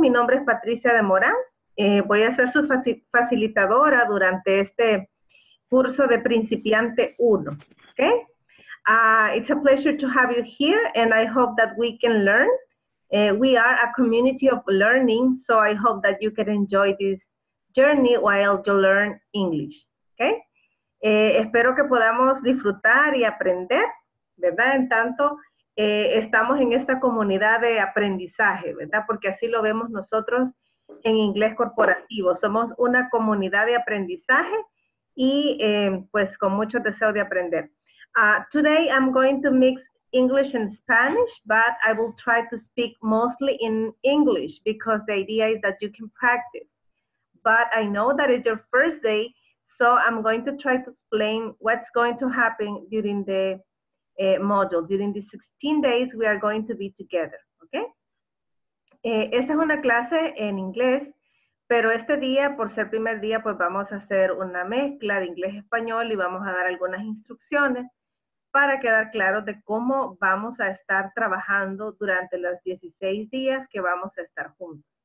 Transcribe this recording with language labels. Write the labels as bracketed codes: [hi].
[es] Mi nombre es Patricia de Moran. Voy a ser su facilitadora durante este curso de principiante 1, okay? [en] It's a pleasure to have you here, and I hope that we can learn. We are a community of learning, so I hope that you can enjoy this journey while you learn English, okay? [es] Espero que podamos disfrutar y aprender, ¿verdad? En tanto, estamos en esta comunidad de aprendizaje, ¿verdad? Porque así lo vemos nosotros en inglés corporativo. Somos una comunidad de aprendizaje y pues con mucho deseo de aprender. [en] Today I'm going to mix English and Spanish, but I will try to speak mostly in English because the idea is that you can practice. But I know that it's your first day, so I'm going to try to explain what's going to happen during the module. During the 16 days we are going to be together, okay? [es] Esta es una clase en inglés, pero este día, por ser primer día, pues vamos a hacer una mezcla de inglés-español y vamos a dar algunas instrucciones para quedar claro de cómo vamos a estar trabajando durante los 16 días que vamos a estar juntos.